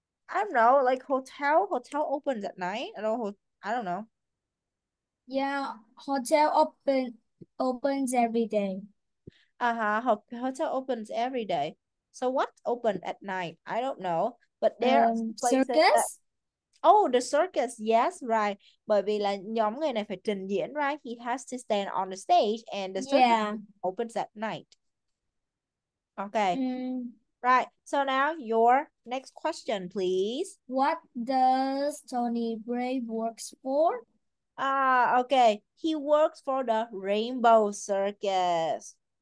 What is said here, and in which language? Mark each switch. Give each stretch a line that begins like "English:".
English: I don't know, like hotel opens at night. I don't know. Yeah, hotel opens every day. Hotel opens every day. So what opened at night? I don't know, but there are some places that Circus? oh, the circus, yes, right.
Vietnamese: Bởi vì là nhóm người này phải trình diễn, right?
English: He has to stand on the stage and the circus Yeah. opens at night. Okay. Right, so now your next question, please. What does Tony Brave works for? Okay. He works for the Rainbow Circus.